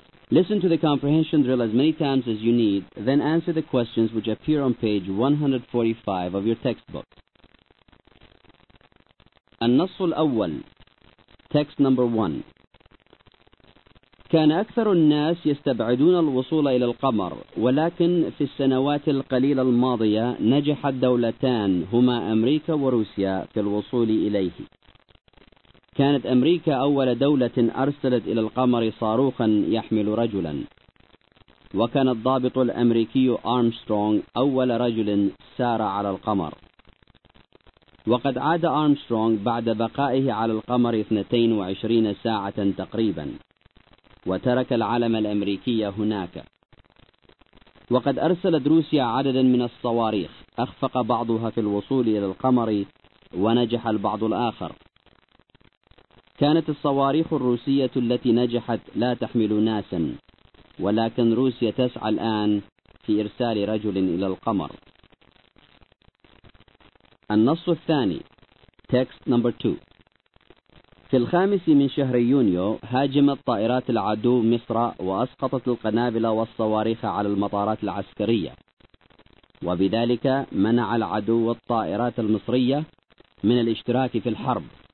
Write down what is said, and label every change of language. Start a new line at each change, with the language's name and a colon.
English: Listen to the comprehension drill as many times as you need, then answer the questions which appear on page 145 of your textbook.
Arabic: النص الأول.
English: Text number 1.
Arabic: كان أكثر الناس يستبعدون الوصول إلى القمر، ولكن في السنوات القليلة الماضية نجحت دولتان هما أمريكا وروسيا في الوصول إليه. كانت أمريكا أول دولة أرسلت إلى القمر صاروخا يحمل رجلا، وكان الضابط الأمريكي أرمسترونغ أول رجل سار على القمر. وقد عاد أرمسترونغ بعد بقائه على القمر 22 ساعة تقريبا، وترك العلم الأمريكي هناك. وقد أرسلت روسيا عددا من الصواريخ، أخفق بعضها في الوصول إلى القمر ونجح البعض الآخر. كانت الصواريخ الروسية التي نجحت لا تحمل ناسا، ولكن روسيا تسعى الآن في إرسال رجل إلى القمر. النص الثاني،
English: text number two.
Arabic: في الخامس من شهر يونيو هاجمت طائرات العدو مصر وأسقطت القنابل والصواريخ على المطارات العسكرية، وبذلك منع العدو والطائرات المصرية من الاشتراك في الحرب.